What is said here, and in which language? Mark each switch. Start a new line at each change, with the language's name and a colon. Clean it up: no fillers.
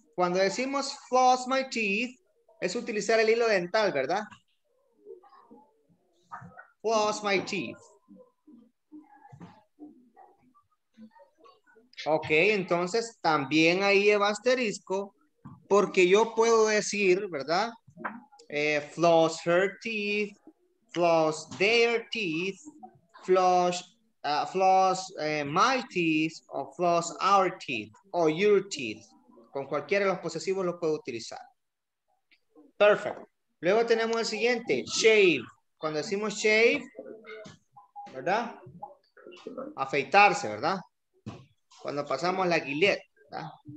Spanish: Cuando decimos
English: floss my teeth,
Spanish: es utilizar el hilo dental, ¿verdad?
English: Floss my teeth.
Spanish: Ok, entonces también ahí lleva asterisco porque yo puedo decir, ¿verdad?
English: Floss her teeth, floss their teeth, floss my teeth, o floss our teeth, o your teeth.
Spanish: Con cualquiera de los posesivos lo puedo utilizar. Perfect. Luego tenemos el siguiente, shave. Cuando decimos shave, ¿verdad? Afeitarse, ¿verdad? Cuando pasamos la guillet, ¿verdad?